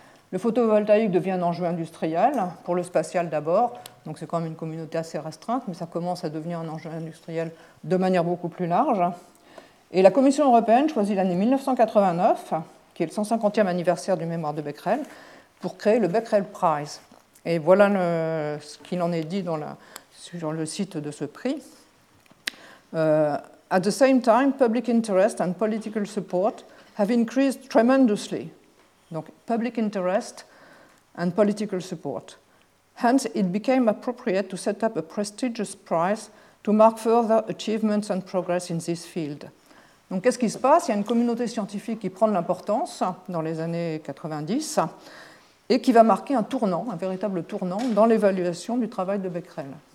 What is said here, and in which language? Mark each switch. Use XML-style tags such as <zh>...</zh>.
<fr>Le photovoltaïque devient un enjeu industriel, pour le spatial d'abord, donc c'est quand même une communauté assez restreinte, mais ça commence à devenir un enjeu industriel de manière beaucoup plus large. Et la Commission européenne choisit l'année 1989, qui est le 150e anniversaire du mémoire de Becquerel, pour créer le Becquerel Prize. Et voilà ce qu'il en est dit sur le site de ce prix.</fr> <en>« At the same time, public interest and political support have increased tremendously. » Donc, « public interest and political support. Hence, it became appropriate to set up a prestigious prize to mark further achievements and progress in this field.</en> <fr>» Donc, qu'est-ce qui se passe? Il y a une communauté scientifique qui prend de l'importance dans les années 90 et qui va marquer un tournant, un véritable tournant dans l'évaluation du travail de Becquerel.</fr>